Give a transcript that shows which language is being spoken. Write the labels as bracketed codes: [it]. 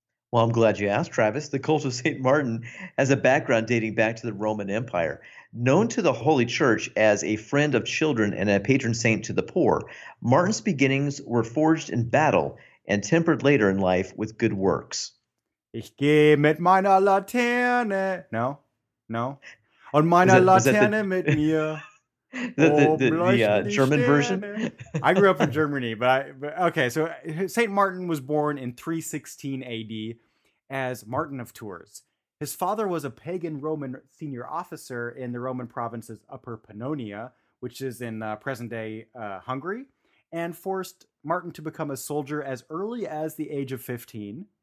[en] Well, I'm glad you asked, Travis. The cult of St. Martin has a background dating back to the Roman Empire. Known to the Holy Church as a friend of children and a patron saint to the poor, Martin's beginnings were forged in battle and tempered later in life with good works. [de] Ich gehe mit meiner Laterne. [en] No? No? [de] Und meiner Laterne mit mir. [en] The German version? I grew up in Germany, but St. Martin was born in 316 AD as Martin of Tours. His father was a pagan Roman senior officer in the Roman province's Upper Pannonia, which is in present-day Hungary, and forced Martin to become a soldier as early as the age of 15.